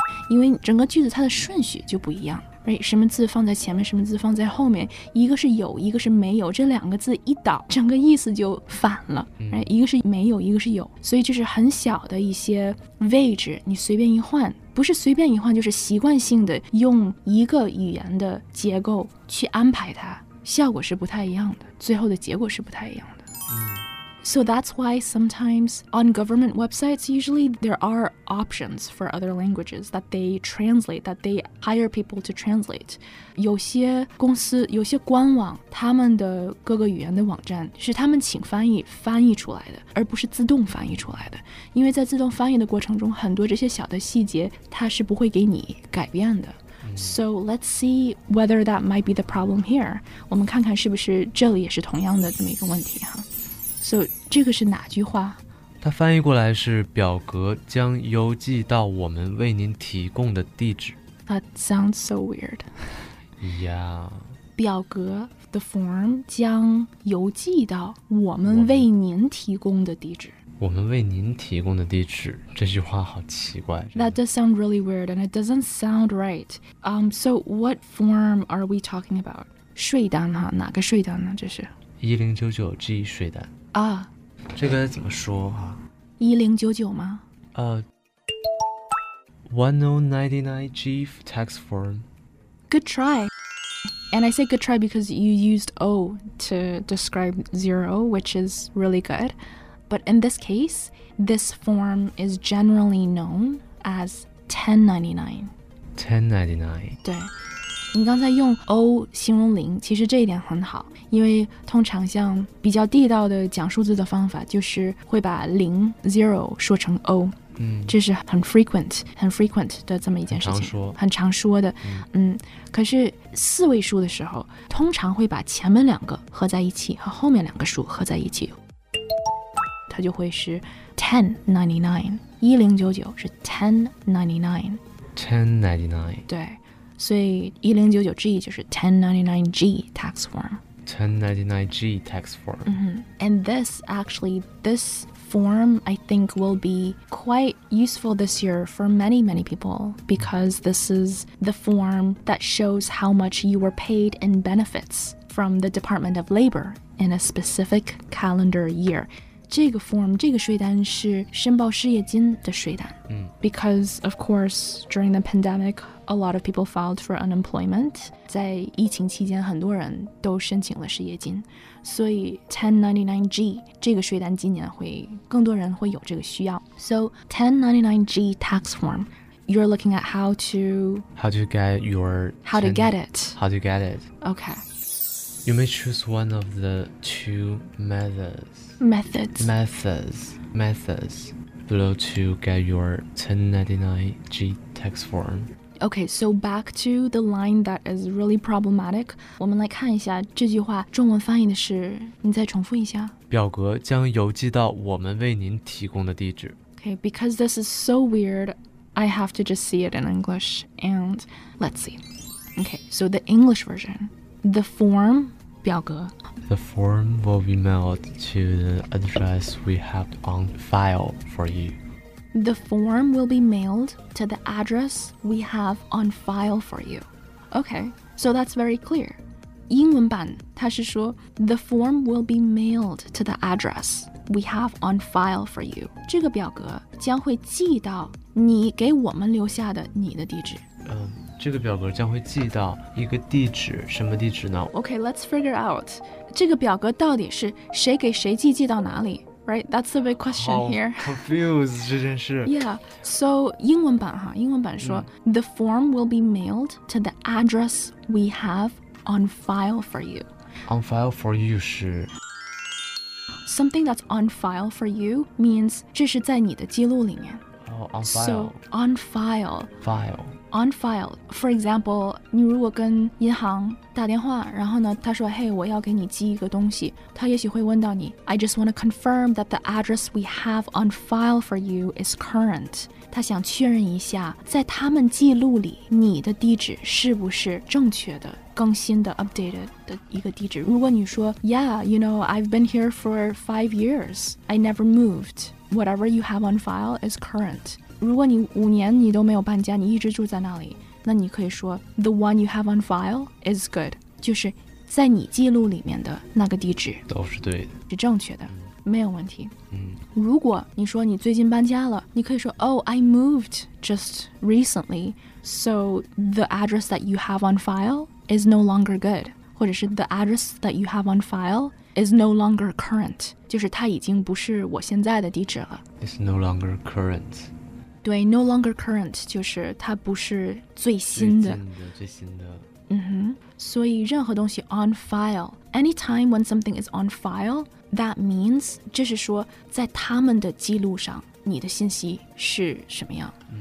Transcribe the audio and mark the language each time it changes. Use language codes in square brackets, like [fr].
[zh] 因为整个句子它的顺序就不一样、right? 什么字放在前面什么字放在后面一个是有一个是没有这两个字一倒整个意思就反了、right? 一个是没有一个是有所以就是很小的一些位置你随便一换不是随便一换就是习惯性的用一个语言的结构去安排它效果是不太一样的最后的结果是不太一样的、 [en] So that's why sometimes on government websites usually there are options for other languages that they translate, that they hire people to translate. [zh] 有些公司有些官网他们的各个语言的网站是他们请翻译翻译出来的而不是自动翻译出来的。因为在自动翻译的过程中很多这些小的细节它是不会给你改变的。 [en] So let's see whether that might be the problem here. [zh] 我们看看是不是这里也是同样的这么一个问题哈。 So 这个是哪句话？它翻译过来是表格将邮寄到我们为您提供的地址。 [en] That sounds so weird. Yeah. [zh] 表格 [en] the form [zh] 将邮寄到我们为您提供的地址。我们为您提供的地址这句话好奇怪 [en] That does sound really weird and it doesn't sound right So what form are we talking about? [zh] 税单哈哪个税单呢这是 1099G 税单啊这个怎么说哈、 1099吗 [en] 1099G tax form Good try And I say good try because you used O to describe zero which is really goodBut in this case, this form is generally known as 1099. 1099. [zh] 对。你刚才用 O 形容零，其实这一点很好，因为通常像比较地道的讲数字的方法，就是会把零 zero 说成 O。嗯。这是很 frequent, 很 frequent 的这么一件事情。很常说。很常说的。嗯。可是四位数的时候，通常会把前面两个合在一起，和后面两个数合在一起。它就会是 1099, 1099是 1099. [en] 1099. [zh] 对，所以 1099G 就是 1099G tax form. [en] 1099G tax form. Mm-hmm. And this form, I think, will be quite useful this year for many, many people because this is the form that shows how much you were paid in benefits from the Department of Labor in a specific calendar year. [zh] 这个 form, 这个税单是申报失业金的税单。 [en] Because, of course, during the pandemic, a lot of people filed for unemployment. [zh] 在疫情期间很多人都申请了失业金。所以 1099G, 这个税单今年会更多人会有这个需要。 [en] So, 1099G tax form, you're looking at how to get it. Okay. You may choose one of the two methods. Methods below to get your 1099G tax form. Okay, so back to the line that is really problematic. [zh] 我们来看一下这句话中文翻译的是，你再重复一下。表格将邮寄到我们为您提供的地址。 [en] Okay, because this is so weird, I have to just see it in English. And let's see. Okay, so the English version. The form, [zh] 表格 [en] The form will be mailed to the address we have on file for you. The form will be mailed to the address we have on file for you. Okay, so that's very clear. [zh] 英文版它是说 [en] The form will be mailed to the address we have on file for you. [zh] 这个表格将会寄到你给我们留下的你的地址。这个表格将会寄到一个地址，什么地址呢？ [en] Okay, let's figure out. [zh] 这个表格到底是谁给谁寄，寄到哪里？ [en] Right, that's the big question here. [zh] Confused, 这件事。 [en] Yeah, so [zh] 英文版哈，英文版说、 [en] The form will be mailed to the address we have on file for you. On file for you 是 Something that's on file for you means [zh] 这是在你的记录里面。 [en] On file. So, on file. File. [zh] On file, for example, 你如果跟银行打电话，然后呢，他说，嘿，我要给你寄一个东西，他也许会问到你， [en] I just want to confirm that the address we have on file for you is current. [zh] 他想确认一下，在他们记录里，你的地址是不是正确的，更新的 ,updated 的一个地址。如果你说 [en] ,yeah, you know, I've been here for 5 years. I never moved. Whatever you have on file is current. [zh] 如果你五年你都没有搬家，你一直住在那里，那你可以说 [en] the one you have on file is good， [zh] 就是在你记录里面的那个地址都是对的，是正确的，没有问题。嗯，如果你说你最近搬家了，你可以说 [en] oh I moved just recently， so the address that you have on file is no longer good， [zh] 或者是 [en] the address that you have on file is no longer current， [zh] 就是它已经不是我现在的地址了。 [en] It's no longer current. [zh] 对 , [en] no longer current, [zh] 就是它不是最新的。最新的。嗯哼。所以任何东西 on file, [en] anytime when something is on file, that means, [zh] 这是说在他们的记录上你的信息是什么样。